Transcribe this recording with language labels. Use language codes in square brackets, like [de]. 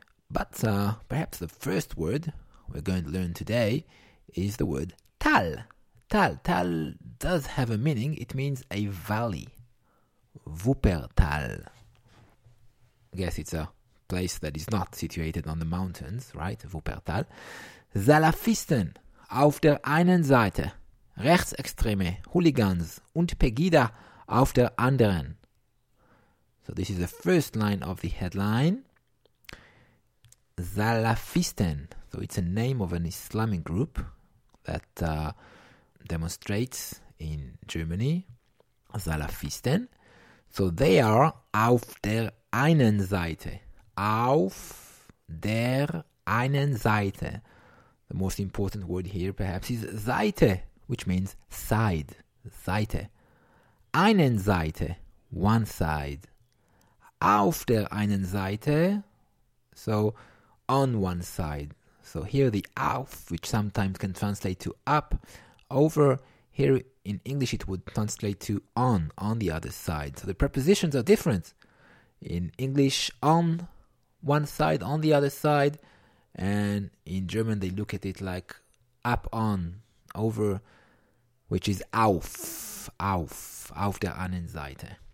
[en] But perhaps the first word we're going to learn today is the word Tal. Tal. Tal does have a meaning. It means a valley. Wuppertal. I guess it's a place that is not situated on the mountains, right? Wuppertal. [de] Salafisten auf der einen Seite, Rechtsextreme, Hooligans und Pegida auf der anderen. [en] So this is the first line of the headline. Salafisten. So it's a name of an Islamic group that demonstrates in Germany, Salafisten. So they are [de] auf der einen Seite. Auf der einen Seite. [en] The most important word here perhaps is Seite, which means side. Seite. [de] Einen Seite, [en] one side. [de] Auf der einen Seite, [en] so on one side. So here the auf, which sometimes can translate to up, over, here in English it would translate to on the other side. So the prepositions are different. In English, on one side, on the other side, and in German they look at it like up, on, over, which is [de] auf der einen Seite.